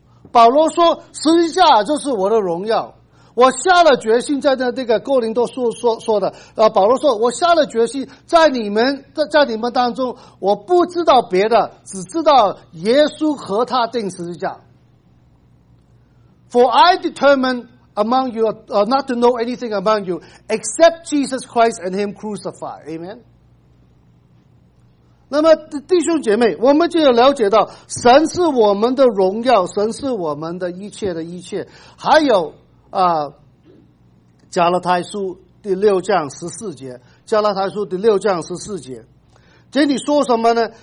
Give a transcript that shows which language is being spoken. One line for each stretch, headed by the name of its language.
Chinese: 保罗说十字架就是我的荣耀。我下了决心，在那个哥林多书说的保罗说，我下了决心在你们当中，我不知道别的，只知道耶稣和他钉十字架。
English: For I determined among you not to know anything among you except Jesus Christ and him crucified.
Chinese: Amen。那么弟兄姐妹，我们就要了解到神是我们的荣耀，神是我们的一切的一切。还有加拉太书第六章十四节，加拉太书第六章十四节，这里说什么呢？